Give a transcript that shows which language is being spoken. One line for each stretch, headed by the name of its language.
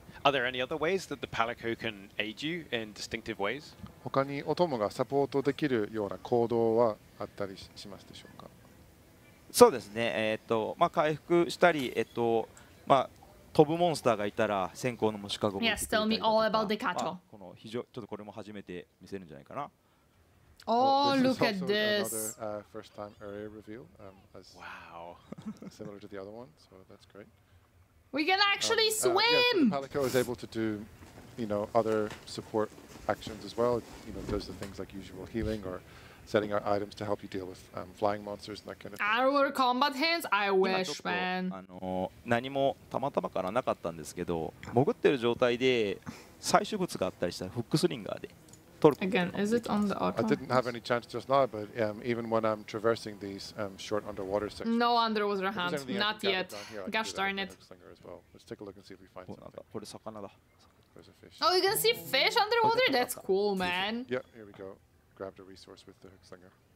English: Are there any other ways that the Palico can aid you in distinctive ways?
Japanese: 他にお供がサポートできるような行動はあったりしますでしょうか？そうですね。回復したり、飛ぶモンスターがいたら閃光の虫かごも。
English: Yes, tell me all about the cattle.
Japanese: この非常ちょっとこれも初めて見せるんじゃないかな。
English: Oh, look at this! Another first-time area reveal. Wow. Similar to the other one, so that's great. We can actually swim. Yeah, so the Palico is able to do, other support actions as well. Does the things like usual healing or setting out items to help you deal with flying monsters and that kind of thing. Our combat hands, I wish, man.
Japanese: 何もたまたまからなかったんですけど、潜ってる状態で採取物があったりしたらフックスリンガーで。
English: Again, is it on the auto? I didn't have any chance just now, but even when I'm traversing these short underwater sections. No underwater hands, not yet. Gosh darn it. Let's take a look and see if we find something. There's a fish. Oh, you can see fish underwater? That's cool, man. Yeah, here we go. Grabbed a resource with the hook slinger.